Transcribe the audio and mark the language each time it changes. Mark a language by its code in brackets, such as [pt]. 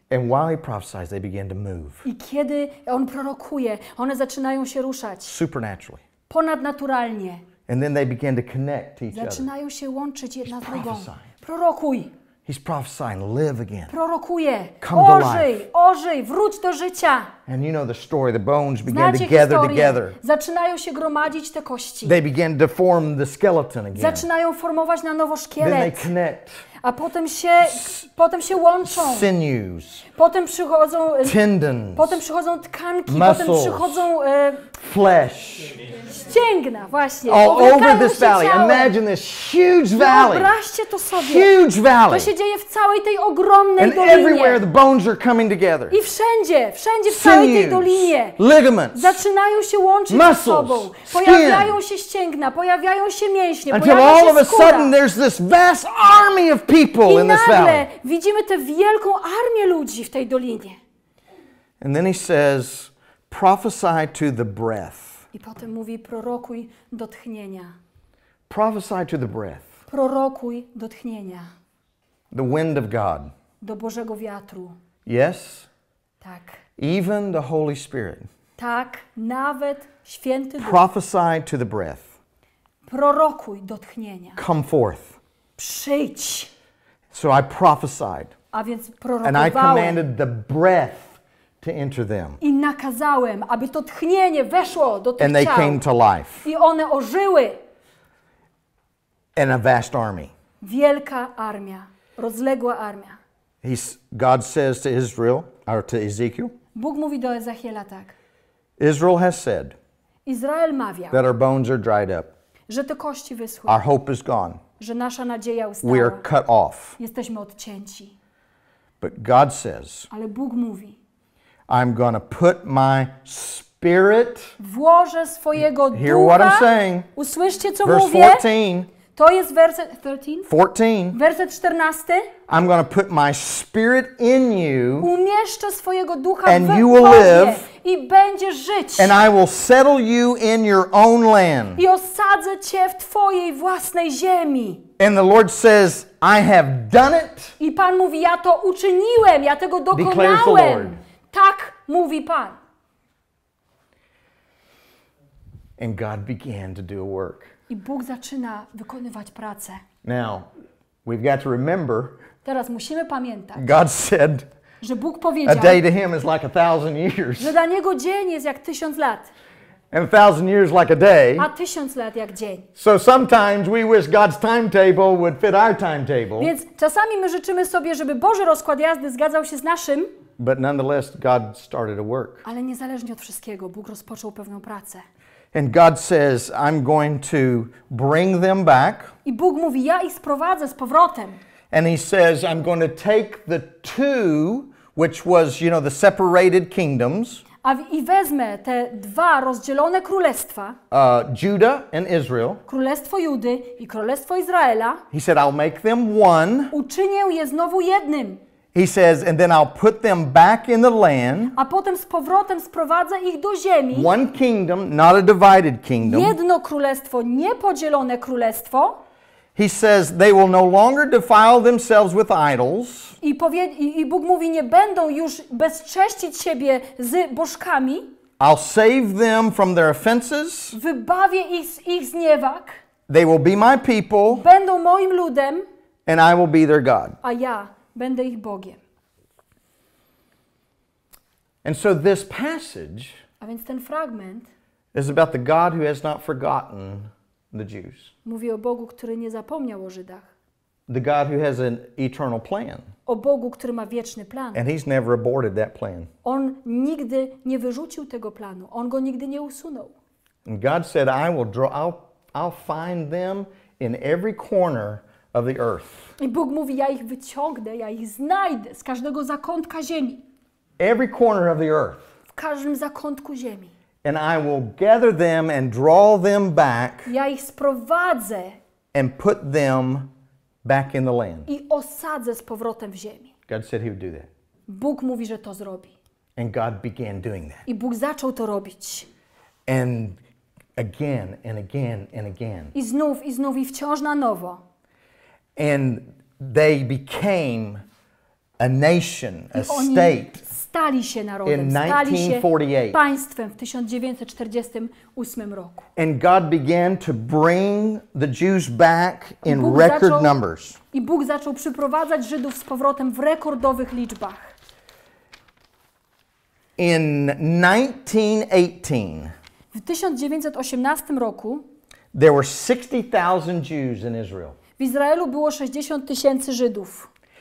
[en] And while he prophesies, they began to move. [pl] I kiedy on prorokuje, one zaczynają się ruszać. [en] Supernaturally. [pl] Ponadnaturalnie. [en] And then they began to connect to each other. [pl] Zaczynają się łączyć jedna z drugą. Prorokuj. [en] He's prophesying, live again. [pl] Prorokuje. [en] Come [pl] ożyj, [en] to life. [pl] Ożyj, ożyj, wróć do życia. [en] And you know the story, the bones began to gather together. [pl] Zaczynają się gromadzić te kości. [en] They began to form the skeleton again. [pl] Zaczynają formować na nowo szkielet. [en] Then they connect. [pl] A potem się łączą. [en] Sinews. [pl] Potem przychodzą [en] tendons. [pl] Potem przychodzą tkanki, [en] muscles, [pl] potem przychodzą [en] flesh. [pl] Ścięgna właśnie. [en] All over this valley. Imagine this huge valley. [pl] Wyobraźcie to sobie. [en] Huge valley. [pl] To się dzieje w całej tej ogromnej dolinie. [en] And everywhere the bones are coming together. [pl] I wszędzie w całej tej dolinie. [en] Ligaments. [pl] Zaczynają się łączyć ze sobą. Pojawiają się ścięgna, pojawiają się mięśnie, [en] until all of a sudden there's this vast army of people in this valley. [pl] I nagle widzimy tę wielką armię ludzi w tej dolinie. [en] And then he says, prophesy to the breath. [pl] I potem mówi, prorokuj do tchnienia. [en] Prophesy to the breath. [pl] Prorokuj do tchnienia. [en] The wind of God. [pl] Do Bożego wiatru. [en] Yes. [pl] Tak. [en] Even the Holy Spirit. [pl] Tak, nawet Święty Duch. [en] Prophesy to the breath. [pl] Prorokuj do tchnienia. [en] Come forth. [pl] Przyjdź. [en] So I prophesied. [pl] A więc prorokowałem. [en] And I commanded the breath. To enter them. [pl] I nakazałem, aby to tchnienie weszło do tych ciał. [en] And they came to life. [pl] I one ożyły. [en] And a vast army. [pl] Wielka armia, rozległa armia. [en] God says to Israel, or to Ezekiel. [pl] Bóg mówi do Ezechiela tak. [en] Israel has said [pl] Izrael mawia, [en] that our bones are dried up. [pl] Że te kości wyschły. [en] Our hope is gone. [pl] Że nasza nadzieja ustała. [en] We are cut off. [pl] Jesteśmy odcięci. [en] But God says, [pl] ale Bóg mówi, [en] I'm going to put my spirit, [pl] włożę swojego ducha. [en] Hear what I'm saying. [pl] Usłyszcie, co [en] verse [pl] mówię. [en] 14. [pl] To jest werset 14. Werset 14. [en] I'm going to put my spirit in you. [pl] Umieszczę swojego ducha [en] and [pl] w [en] you will live. [pl] I będziesz żyć. [en] And I will settle you in your own land. [pl] I osadzę cię w twojej własnej ziemi. [en] And the Lord says, I have done it. [pl] I Pan mówi, ja to uczyniłem, ja tego dokonałem. [en] Declares the Lord. [pl] Tak mówi Pan. [en] And God began to do a work. [pl] I Bóg zaczyna wykonywać pracę. [en] Now, we've got to remember. [pl] Teraz musimy pamiętać. [en] God said, [pl] że Bóg powiedział. [en] A day to him is like a thousand years. [pl] Że dla niego dzień jest jak tysiąc lat. [en] And a thousand years like a day. [pl] A tysiąc lat jak dzień. [en] So sometimes we wish God's timetable would fit our timetable. [pl] Więc czasami my życzymy sobie, żeby Boży rozkład jazdy zgadzał się z naszym. [en] But nonetheless, God started a work. [pl] Ale niezależnie od wszystkiego, Bóg rozpoczął pewną pracę. [en] And God says, I'm going to bring them back. [pl] I Bóg mówi, ja ich sprowadzę z powrotem. [en] And he says, I'm going to take the two, which was, you know, the separated kingdoms. [pl] I wezmę te dwa rozdzielone królestwa. [en] Judah and Israel. [pl] Królestwo Judy i Królestwo Izraela. [en] He said, I'll make them one. [pl] Uczynię je znowu jednym. [en] He says, and then I'll put them back in the land. [pl] A potem z powrotem sprowadzę ich do ziemi. [en] One kingdom, not a divided kingdom. [pl] Jedno królestwo, niepodzielone królestwo. [en] He says, they will no longer defile themselves with idols. [pl] I Bóg mówi, nie będą już bezcześcić siebie z bożkami. [en] I'll save them from their offenses. [pl] Wybawię ich z ich zniewag. [en] They will be my people. [pl] Będą moim ludem. [en] And I will be their God. [pl] A ja będę ich Bogiem. [en] And so this passage, [pl] a więc ten fragment, [en] is about the God who has not forgotten the Jews. [pl] Mówi o Bogu, który nie zapomniał o Żydach. [en] The God who has an eternal plan. [pl] O Bogu, który ma wieczny plan. [en] And he's never aborted that plan. [pl] On nigdy nie wyrzucił tego planu. On go nigdy nie usunął. [en] And God said, I will draw, I'll find them in every corner of the earth. [pl] I Bóg mówi, ja ich wyciągnę, ja ich znajdę z każdego zakątka ziemi. [en] Every corner of the earth. [pl] W każdym zakątku ziemi. [en] And I will gather them and draw them back. [pl] Ja ich sprowadzę. [en] And put them back in the land. [pl] I osadzę z powrotem w ziemi. [en] God said he would do that. [pl] Bóg mówi, że to zrobi. [en] And God began doing that. [pl] I Bóg zaczął to robić. [en] And again and again and again. [pl] I znów i wciąż na nowo. [en] And they became a nation, a state. [pl] Stali się narodem, [en] in 1948. [pl] Państwem w 1948 roku. [en] And God began to bring the Jews back in record numbers. [pl] I Bóg zaczął przyprowadzać Żydów z powrotem w rekordowych liczbach. [en] In 1918. [pl] W 1918 roku. [en] There were 60,000 Jews in Israel. [pl] W Izraelu było 60 tysięcy Żydów.